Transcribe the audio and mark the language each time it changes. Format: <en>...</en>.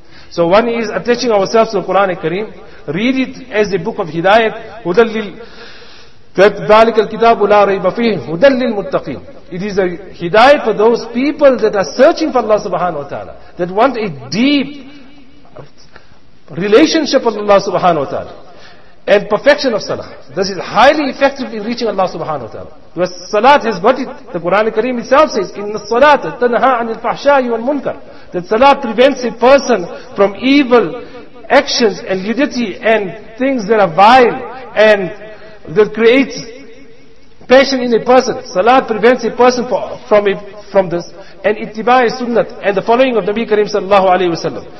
<en>So one is attaching ourselves to the Quran Kareem, read it as a book of hidayat, hudallil, that</en> <ar>dhalika al-kitabu la rayba fih, hudallil muttaqeen.</ar> <en>It is a hidayat for those people that are searching for Allah subhanahu wa ta'ala, that want a deep relationship with Allah subhanahu wa ta'ala. And perfection of salah. This is highly effective in reaching Allah subhanahu wa ta'ala. Because salat has got it. The Quran Kareem itself says,</en> <ar>إِنَّ الصَّلَاةَ تَنْهَا عَنِ الْفَحْشَاءِ وَالْمُنْكَرِ.</ar> <en>That salat prevents a person from evil actions and lewdity and things that are vile and that creates passion in a person. Salat prevents a person from this. And ittiba'i sunnat and the following of Nabi Kareem sallallahu alayhi wa sallam.</en>